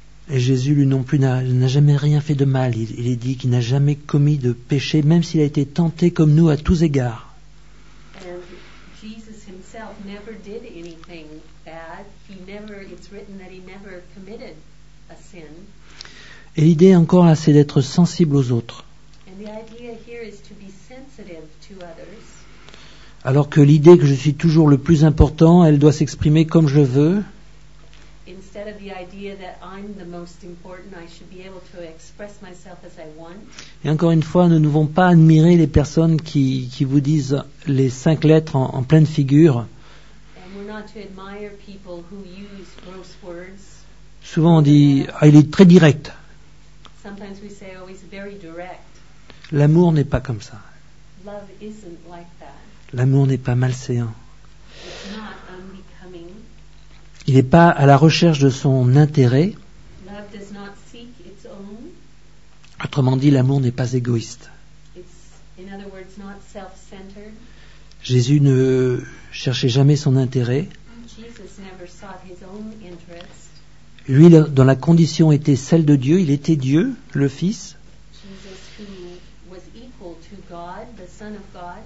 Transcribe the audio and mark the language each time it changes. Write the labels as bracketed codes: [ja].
[fr] Et Jésus, lui non plus, n'a jamais rien fait de mal. Il est dit qu'il n'a jamais commis de péché, même s'il a été tenté comme nous à tous égards. [en] And Jesus himself never did anything bad. He never, it's written that he never committed a sin. [fr] Et l'idée encore là, c'est d'être sensible aux autres. [en] And the idea here is to be sensitive to others. [fr] Alors que l'idée que je suis toujours le plus important, elle doit s'exprimer comme je veux. [en] Instead of the idea that I'm the most important, I should be able to express myself as I want. [fr] Et encore une fois, nous ne devons pas admirer les personnes qui vous disent les 5 lettres en pleine figure. [en] And we're not to admire people who use gross words. [fr] Souvent on dit, ah, il est très direct. [en] Sometimes we say, oh, he's very direct. [fr] L'amour n'est pas comme ça. [en] Love isn't like that. [fr] L'amour n'est pas malséant. [en] It's not unbecoming. [fr] Il n'est pas à la recherche de son intérêt. [en] Love does not seek its own. [fr] Autrement dit, l'amour n'est pas égoïste. [en] It's, in other words, not self-centered. [fr] Jésus ne cherchait jamais son intérêt. [en] Jesus never sought his own interest. [fr] Lui, dont la condition était celle de Dieu, il était Dieu, le Fils. [en] Jesus, who was equal to God, the Son of God.